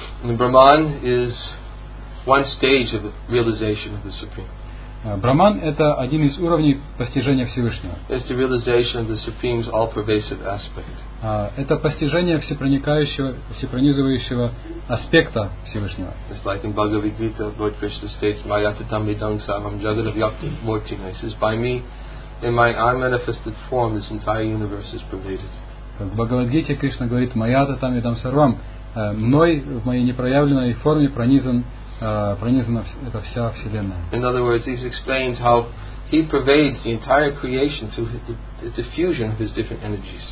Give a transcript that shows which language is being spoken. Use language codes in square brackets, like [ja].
[en] Brahman is one stage of the realization of the Supreme. [ru] Браман это один из уровней постижения Всевышнего. [en] It's the realization of the Supreme's all-pervasive aspect. [ru] Это постижение всепроникающего, всепронизывающего аспекта Всевышнего. [en] It's like in Bhagavad Gita, Lord Krishna states, [sa] Mayatatam idam sarvam jagadavyaktim murtim. [en] He says, by me, in my unmanifested form, this entire universe is pervaded. [ru] В Бхагавад Гите Кришна говорит, [sa] Mayatatam idam sarvam. [ru] Мной, в моей непроявленной форме, пронизана эта вся Вселенная. [en] In other words, he explains how He pervades the entire creation through the diffusion of his different energies.